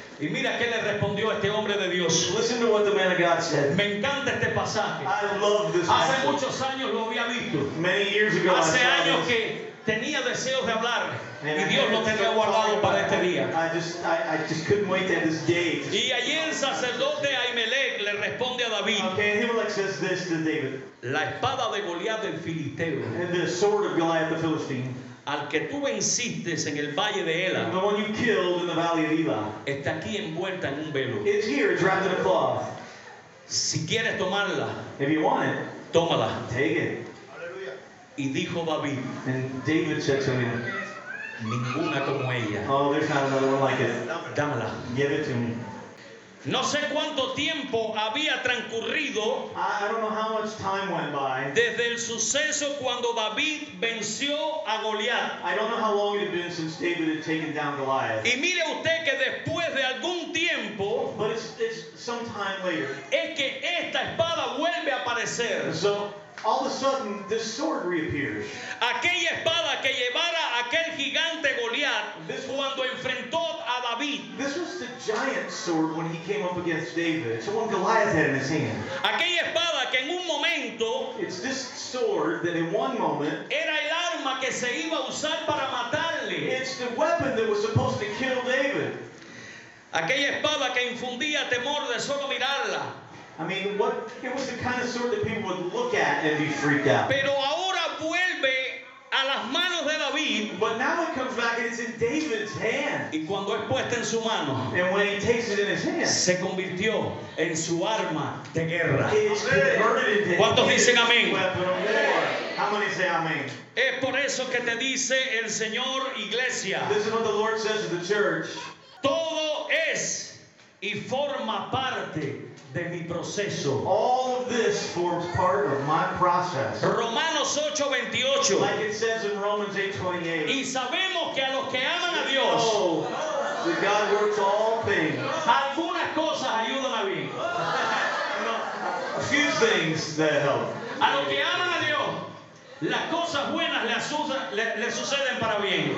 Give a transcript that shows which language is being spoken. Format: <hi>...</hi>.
<es>Y mira qué le respondió este hombre de Dios.</es> <en>Listen to what the man of God said.</en> <es>Me encanta este pasaje.</es> <en>I love this</en> <es>hace message. Muchos años lo había visto.</es> <en>Many years ago</en> <es>hace</es> <en>I saw</en> <es>años</es> <en>this.</en> <es>Que tenía deseos de hablar. And y Dios lo tenía guardado para este día.</es> <en>I just couldn't wait to have this day.</en> <es>Y allí el sacerdote Ahimelech le responde a David.</es> <en>Okay, Ahimelech says this to David.</en> <es>La espada de Goliat del Filisteo.</es> <en>And the sword of Goliath the Philistine.</en> <es>Al que tú venciste en el valle de Ela.</es> <en>The one you killed in the valley of Ela.</en> <es>Está aquí envuelta en un velo.</es> <en>It's here, it's wrapped in a cloth.</en> <es>Si quieres tomarla.</es> <en>If you want it.</en> <es>Tómala.</es> <en>Take it.</en> <es>Y dijo David.</es> <en>And David said to him.</en> <es>Ninguna como ella.</es> <en>Oh, there's not another one like it.</en> <es>Dámela.</es> <en>Give it to me.</en> <es>No sé cuánto tiempo había transcurrido.</es> <en>I don't know how much time went by.</en> <es>Desde el suceso cuando David venció a Goliat.</es> <en>I don't know how long it had been since David had taken down Goliath.</en> <es>Y mire usted que después de algún tiempo.</es> <en>But it's some time later.</en> <es>Es que esta espada vuelve a aparecer.</es> <en>So, all of a sudden, this sword reappears.</en> <es>Aquella espada que llevara aquel gigante Goliat cuando enfrentó a David.</es> <en>This was the giant sword when he came up against David. It's the one Goliath had in his hand.</en> <es>Aquella espada que en un momento.</es> <en>It's this sword that in one moment.</en> <es>Era el arma que se iba a usar para matarle.</es> <en>It's the weapon that was supposed to kill David.</en> <es>Aquella espada que infundía temor de solo mirarla.</es> <en>I mean, what? It was the kind of sword that people would look at and be freaked out.</en> <es>Pero ahora vuelve a las manos de David.</es> <en>But now it comes back and it's in David's hand.</en> <es>Y cuando es puesta en su mano,</es> <en>and when he takes it in his hand,</en> <es>se convirtió en su arma de guerra.</es> <en>It's converted into his weapon of war. How many say amen?</en> <es>Es por eso que te dice el Señor Iglesia.</es> <en>This is what the Lord says to the church.</en> <es>Todo es y forma parte de mi proceso.</es> <en>All of this forms part of my process.</en> <es>Romanos 8:28.</es> <en>Like it says in Romans 8:28.</en> <es>Y sabemos que a los que aman a Dios.</es> <en>That God works all things.</en> <es>Algunas cosas ayudan a bien.</es> <en>A few things that help.</en> <es>A los que aman a Dios, las cosas buenas le suceden para bien.</es>